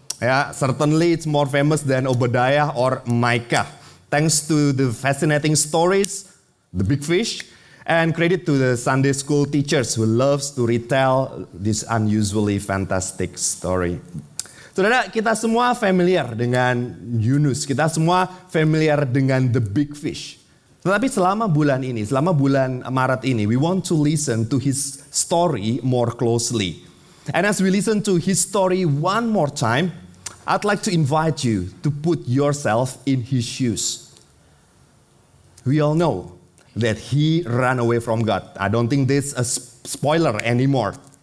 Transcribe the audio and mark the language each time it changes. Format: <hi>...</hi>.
<en>Yeah, certainly it's more famous than Obadiah or Micah. Thanks to the fascinating stories, the big fish, and credit to the Sunday school teachers who loves to retell this unusually fantastic story.</en> <id>Saudara, kita semua familiar dengan Yunus, kita semua familiar dengan</id> <en>the big fish.</en> <id>Tetapi selama bulan Maret ini,</id> <en>we want to listen to his story more closely. And as we listen to his story one more time, I'd like to invite you to put yourself in his shoes. We all know that he ran away from God. I don't think this is a spoiler anymore.</en>